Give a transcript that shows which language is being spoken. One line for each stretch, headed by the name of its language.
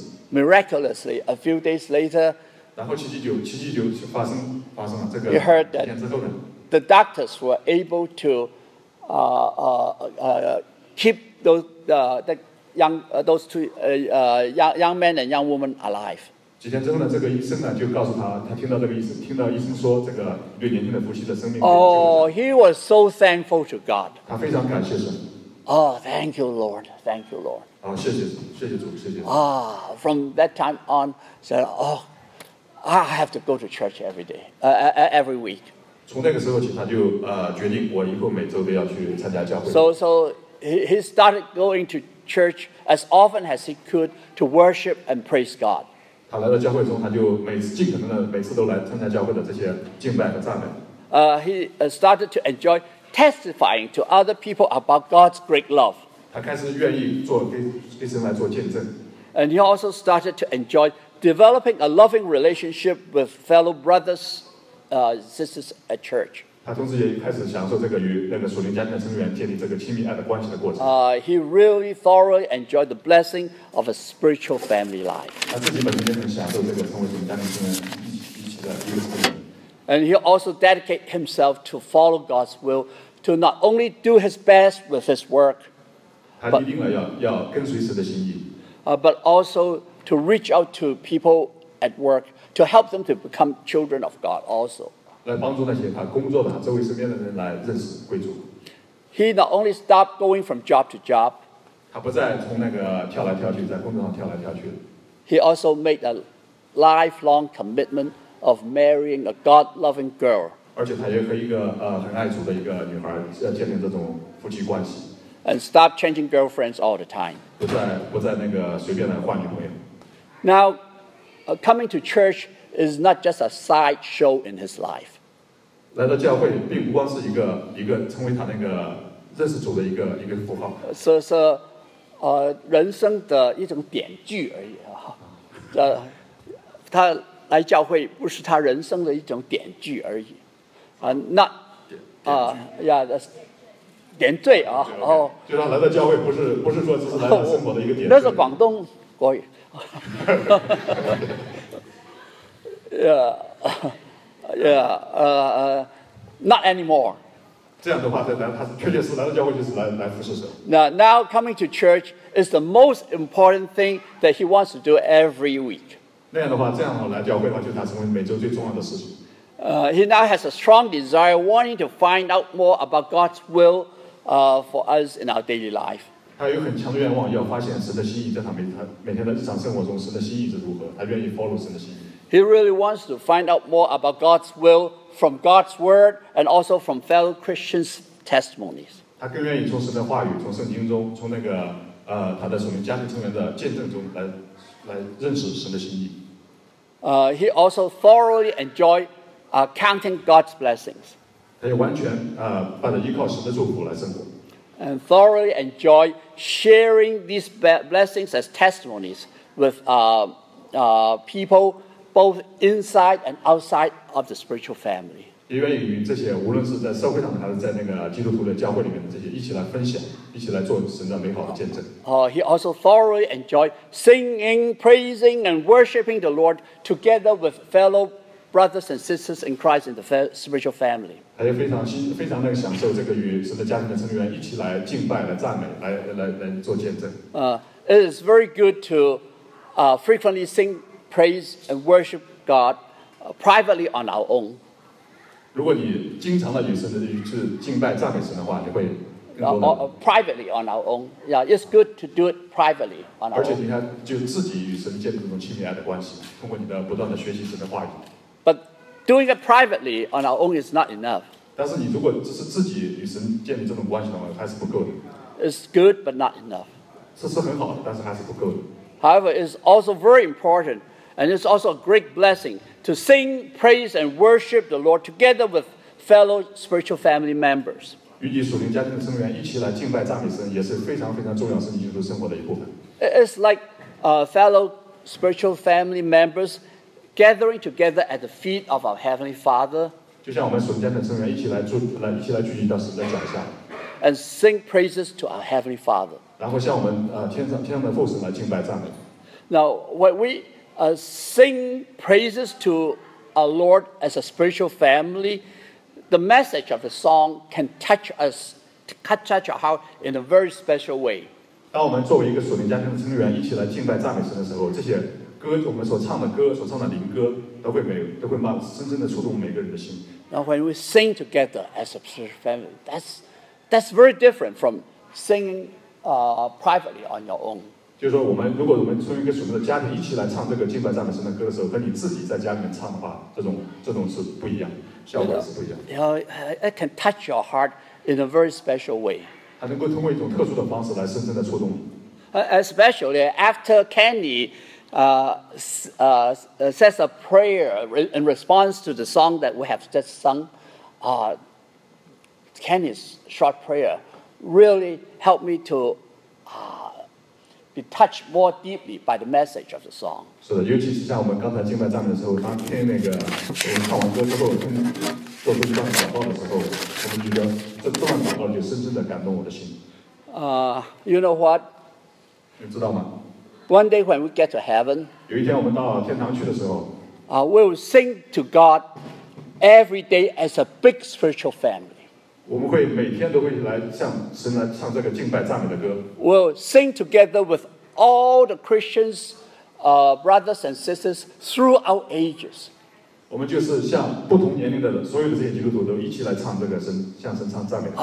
English: Miraculously, a few days later, he heard that the doctors were able to keep those two young men and young women alive.
Chinese: 几天之后呢，这个医生呢就告诉他，他听到这个意思，听到医生说这个对年轻的夫妻的生命。
English: He was so thankful to God.
Chinese: 他非常感谢神。
English: Thank you, Lord. Thank you, Lord.
Chinese: 谢谢主，谢谢主，谢谢主。
English: From that time on, said, I have to go to church every day, every week.
Chinese: 从那个时候起，他就决定我以后每周都要去参加教会。
English: So he started going to church as often as he could to worship and praise God.
Chinese: 他来到教会中，他就每次都来参加教会的这些敬拜和赞美。
English: He started to enjoy testifying to other people about God's great love.
Chinese: 他开始愿意做给神来做见证。
English: And he also started to enjoy developing a loving relationship with fellow brothers, sisters at church.
Chinese: 他同时也开始享受这个与那个属灵家庭的成员建立这个亲密爱的关系的过程。
English: He really thoroughly enjoyed the blessing of a spiritual family life.
Chinese: 他自己本身也很享受这个成为属灵家庭成员一起的一个过程。
English: And he also dedicated himself to follow God's will, to not only do his best with his work,
Chinese: 他一定要跟随神的心意。
English: But also to reach out to people at work, to help them to become children of God also.
Chinese: 来帮助那些他工作的、他周围身边的人来认识贵族。
English: He not only stopped going from job to job.
Chinese: 他不再从那个跳来跳去，在工作上跳来跳去。
English: He also made a lifelong commitment of marrying a God-loving girl.
Chinese: 而且他也和一个很爱主的一个女孩建立这种夫妻关系。
English: And stopped changing girlfriends all the time.
Chinese: 不再那个随便的换女朋友。
English: Now, coming to church. Is not just a sideshow in his life.
Chinese: 来到教会并不光是一个成为他那个认识主的一个符号。是人生的一种典具而已啊。他来教会不是他人生的一种点缀而已，啊，那啊呀，点缀啊，哦，就他来到教会不是说只是来到生活的一个点缀，那是广东国语，
English: not anymore。
Chinese: 这样的话，他确实是来到教会就是来服侍神。
English: Now coming to church is the most important thing that he wants to do every week。
Chinese: 那样的话，这样来教会的话，就他成为每周最重要的事情。
English: He now has a strong desire wanting to find out more about God's will for us in our daily life.
Chinese: 他有很强的愿望要发现神的心意，在他每天的日常生活中，神的心意是如何？他愿意 follow 神的心意。
English: He really wants to find out more about God's will from God's word and also from fellow Christians' testimonies.
Chinese: 他更愿意从神的话语，从圣经中，从那个他的属灵家庭成员的见证中来认识神的心意。
English: He also thoroughly enjoyed counting God's blessings.
Chinese: 他也完全把他依靠神的祝福来生活。
English: And thoroughly enjoyed sharing these blessings as testimonies with people. Both inside and outside of the spiritual family.
Chinese: 也愿意与这些，无论是在社会上还是在那个基督徒的教会里面的这些，一起来分享，一起来做神的美好的见证。
English: He also thoroughly enjoyed singing, praising, and worshiping the Lord together with fellow brothers and sisters in Christ in the spiritual family.
Chinese: 他也非常那个享受这个与神的家庭的成员一起来敬拜、来赞美、来做见证。
English: It is very good to frequently sing. Praise and worship God privately on our own.
Chinese: 如果你经常的与神的去敬拜赞美神的话，你会更多的
English: privately on our own. Yeah, it's good to do it privately on our own.
Chinese: 而且你看，就自己与神建立这种亲密爱的关系，通过你的不断的学习神的话语。
English: But doing it privately on our own is not enough.
Chinese: 但是你如果只是自己与神建立这种关系的话，还是不够的。
English: It's good, but not enough.
Chinese: 是很好的，但是还是不够的。
English: However, it's also very important, and it's also a great blessing to sing, praise, and worship the Lord together with fellow spiritual family members.
Chinese: 与你属灵家庭的成员一起来敬拜赞美神，也是非常非常重要，是基督生活的一部分。
English: It's like fellow spiritual family members gathering together at the feet of our Heavenly Father.
Chinese: 就像我们属灵家庭的成员一起来聚集到神的脚下。
English: And sing praises to our Heavenly Father.
Chinese: 然后向我们天上的父神来敬拜赞美。
English: Now when we sing praises to our Lord as a spiritual family, the message of the song can touch our heart in a very special way.
Chinese: 当我们作为一个属灵家庭的成员一起来敬拜赞美神的时候，这些歌我们所唱的歌所唱的灵歌都会深深的触动每个人的心。
English: Now when we sing together as a spiritual family, that's very different from singing privately on your own.
Chinese: 就是说，如果我们从一个属灵的家庭一起来唱这个敬拜赞美神的歌的时候，跟你自己在家里面唱的话，这种是不一样，效果是不一样。
English: It can touch your heart in a very special way.
Chinese: 它能够通过一种特殊的方式来深深的触动你。
English: Especially after Kenny says a prayer in response to the song that we have just sung, Kenny's short prayer really helped me to be touched more deeply by the message of the song.
Chinese: 是的，尤其是像我们刚才敬拜赞美的时候，当听那个我们唱完歌之后，听做出一段祷告的时候，我们觉得这段祷告就深深的感动我的心。
English: You know what?
Chinese: 你知道吗
English: ？One day when we get to heaven,
Chinese: 有一天我们到天堂去的时候
English: ，we will sing to God every day as a big spiritual family.
Chinese: 我们会每天都会来向神来唱这个敬拜赞美的歌。
English: We'll sing together with all the Christians, brothers and sisters throughout ages.
Chinese: 我们就是向不同年龄的人，所有的这些基督徒都一起来唱这个神，向神唱赞美的歌。